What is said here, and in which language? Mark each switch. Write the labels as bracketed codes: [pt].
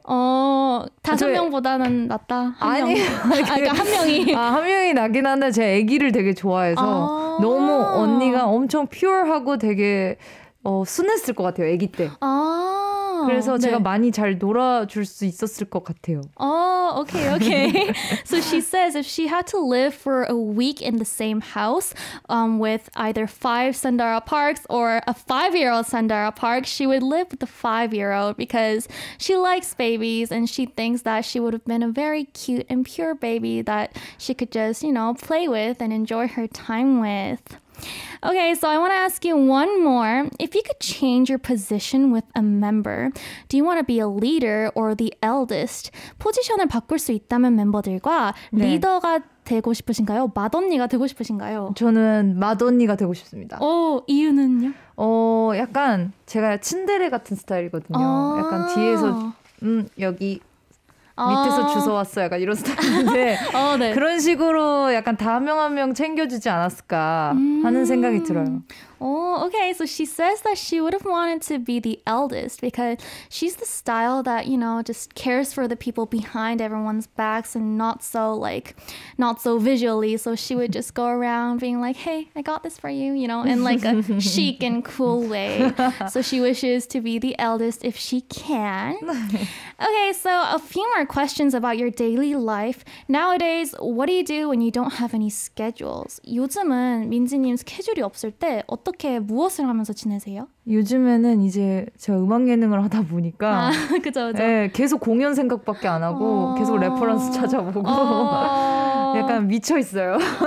[ko] 5명보다는 낫다. 아니요. 그러니까 한 명이. 한 명이 낫긴 한데 제 아기를 되게 좋아해서 너무 언니가 엄청 퓨어하고 되게 순했을 것 같아요. 아기 때. 그래서 네. 제가 많이 잘 놀아줄 수 있었을 것 같아요. [en] Okay, okay. So she says if she had to live for a week in the same house with either 5 Sandara Parks or a 5-year-old Sandara Park, she would live with the 5-year-old because she likes babies and she thinks that she would have been a very cute and pure baby that she could just, you know, play with and enjoy her time with. Okay, so I want to ask you one more. If you could change your position with a member, do you want to be a leader or the eldest? [ko] 포지션을 바꿀 수 있다면 멤버들과 네. 리더가 되고 싶으신가요? 맏언니가 되고 싶으신가요? 저는 맏언니가 되고 싶습니다. 이유는요? 약간 제가 츤데레 같은 스타일이거든요. 약간 뒤에서 여기 밑에서 주워 왔어 약간 이런 스타일인데 네. 그런 식으로 약간 다 한 명 한 명 챙겨주지 않았을까 하는 생각이 들어요. [en] Okay, so she says that she would have wanted to be the eldest because she's the style that, you know, just cares for the people behind everyone's backs and not so, like, not so visually. So she would just go around being like, hey, I got this for you, you know, in like a chic and cool way. So she wishes to be the eldest if she can. Okay, so a few more questions about your daily life. Nowadays, what do you do when you don't have any schedules? [ko] 요즘은 민지님 스케줄이 없을 때 어떻게 무엇을 하면서 지내세요? 요즘에는 이제 제가 음악 예능을 하다 보니까 그죠. 예, 계속 공연 생각밖에 안 하고 계속 레퍼런스 찾아보고 약간 미쳐 있어요.